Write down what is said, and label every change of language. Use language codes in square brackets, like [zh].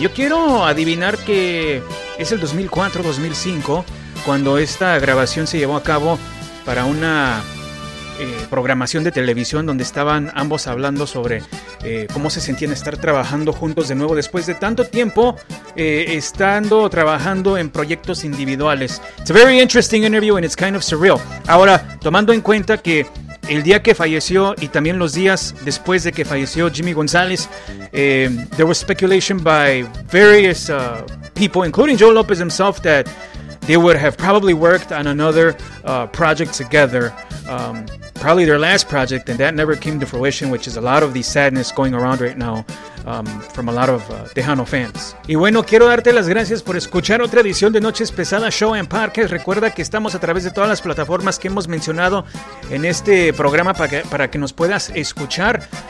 [es] Yo quiero adivinar que es el 2004-2005 cuando esta grabación se llevó a cabo para una programación de televisión donde estaban ambos hablando sobre cómo se sentían estar trabajando juntos de nuevo después de tanto tiempo estando trabajando en proyectos individuales. [en] It's a very interesting interview and it's kind of surreal. [es] Ahora, tomando en cuenta que el día que falleció [en] y también los días después de que falleció Jimmy González, there was speculation by various people, including Joe López himself, that they would have probably worked on another project together. Probably their last project, and that never came to fruition, which is a lot of the sadness going around right now from a lot of Tejano fans. [es] Y bueno, quiero darte las gracias por escuchar otra edición de Noches Pesadas Show and Podcast. Recuerda que estamos a través de todas las plataformas que hemos mencionado en este programa para que nos puedas escuchar.